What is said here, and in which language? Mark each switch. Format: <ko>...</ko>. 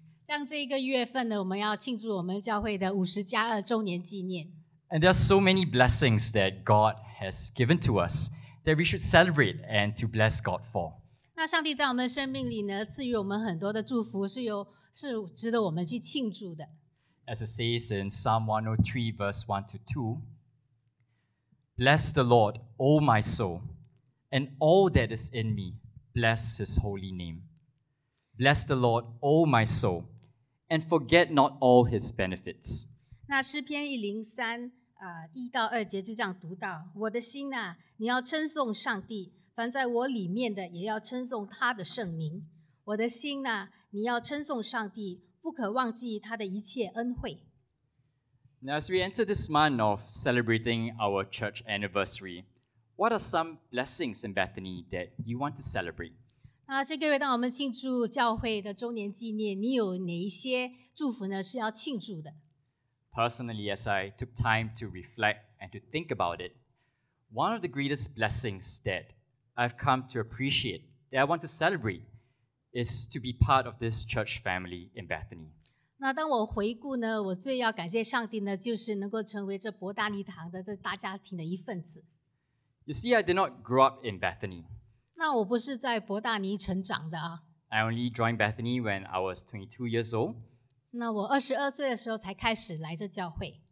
<zh>像这一个月份呢，我们要庆祝我们教会的50+2周年纪念。</zh> <en>And there are so many blessings that God has given to us that we should celebrate and to bless God for.</en> <zh>那上帝在我们生命里呢，赐予我们很多的祝福，是值得我们去庆祝的。</zh> <en>As it says in Psalm 103, verse 1-2, Bless the Lord, O my soul. And all that is in me, bless his holy name. Bless the Lord, O my soul, and forget not all his benefits.</en> <zh>那诗篇103一到二节就这样读到，我的心啊，你要称颂上帝，凡在我里面的也要称颂他的圣名。我的心啊，你要称颂上帝，不可忘记他的一切恩惠。</zh> <en>Now, as we enter this month of celebrating our church anniversary,What are some blessings in Bethany that you want to celebrate?</en> <zh>那这个月当我们庆祝教会的周年纪念，你有哪一些祝福呢？是要庆祝的。</zh> <en>Personally, as I took time to reflect and to think about it, one of the greatest blessings that I've come to appreciate, that I want to celebrate, is to be part of this church family in Bethany.</en> <zh>那当我回顾呢，我最要感谢上帝呢，就是能够成为这伯大尼堂的这大家庭的一份子。</zh> <en>You see, I did not grow up in Bethany.</en> <zh>那我不是在伯大尼成长的啊。</zh> <en>I only joined Bethany when I was 22 years old.</en> <zh>那我22岁的时候才开始来这教会。</zh>